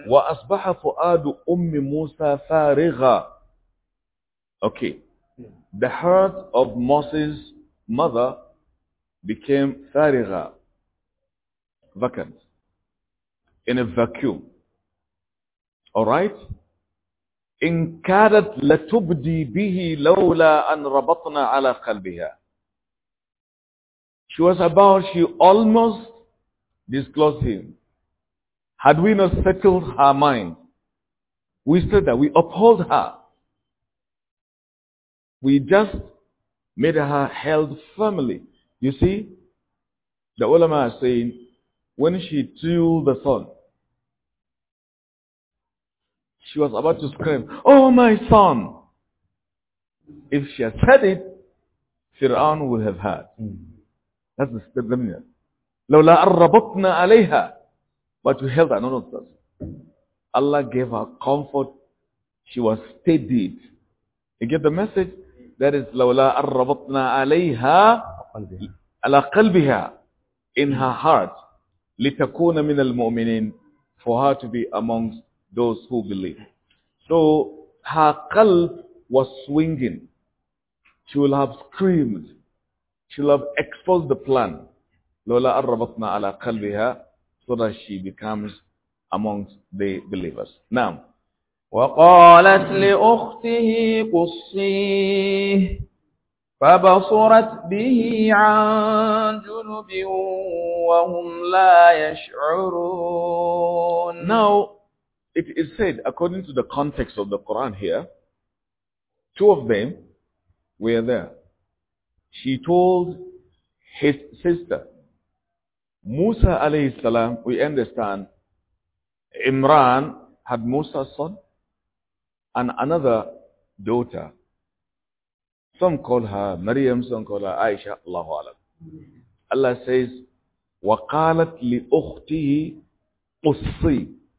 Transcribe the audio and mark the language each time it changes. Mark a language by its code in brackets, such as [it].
[ar] وأصبح فؤاد أم موسى فارغا. [en] Okay. The heart of Moses' mother became [ar] فارغا. [en] Vacant, in a vacuum. All right. [ar] In kadat latubdi bihi lawla an rabatna ala qalbiha. [en] She almost disclosed him. Had we not settled her mind, we said that we uphold her. We just made her held firmly. You see, the ulama are saying, when she threw the son, she was about to scream, "Oh my son!" If she had said it, Fir'aun would have heard. That's the statement. [ar] لو لا أربطنا عليها, [en] but we held her. No, no, Allah gave her comfort. She was steadied. You get the message? That is [ar] لو لا أربطنا عليها على قلبها, [en] in her heart. [ar] لِتَكُونَ مِنَ الْمُؤْمِنِينَ, [en] for her to be amongst those who believe. So her qalb was swinging. She will have screamed. She will have exposed the plan. [ar] لَوْلَا أَرَّبَطْنَا عَلَىٰ قَلْبِهَا, [en] so that she becomes amongst the believers. Now, [ar] وَقَالَتْ لِأُخْتِهِ قُصِّيهِ فبصرت به عن جنب وهم لا يشعرون. [en] Now, it is said, according to the context of the Quran here, two of them were there. She told his sister, Musa alayhi salam, we understand, Imran had Musa's son and another daughter. Some call her Maryam, some call her Aisha, Allahu Alam. Allah says, [ar] وَقَالَتْ لِأُخْتِهِ قُصِّي.